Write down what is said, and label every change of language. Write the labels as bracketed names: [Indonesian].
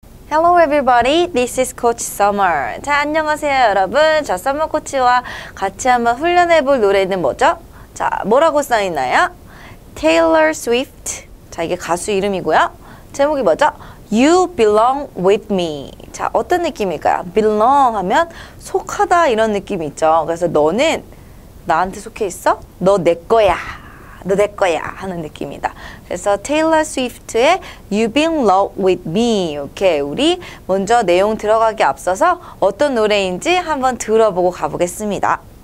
[English] Hello everybody, this is Coach Summer. [Korean] 자, 안녕하세요 여러분. 저 Summer Coach와 같이 한번 훈련해 볼 노래는 뭐죠? 자, 뭐라고 써있나요? Taylor Swift. 자, 이게 가수 이름이고요. 제목이 뭐죠? You belong with me. 자, 어떤 느낌일까요? belong 하면 속하다 이런 느낌이 있죠. 그래서 너는 나한테 속해 있어? 너 내 거야. 너 내 거야 하는 느낌이다. 그래서 테일러 스위프트의 You belong with me. 이렇게 우리 먼저 내용 들어가기 앞서서 어떤 노래인지 한번 들어보고 가보겠습니다.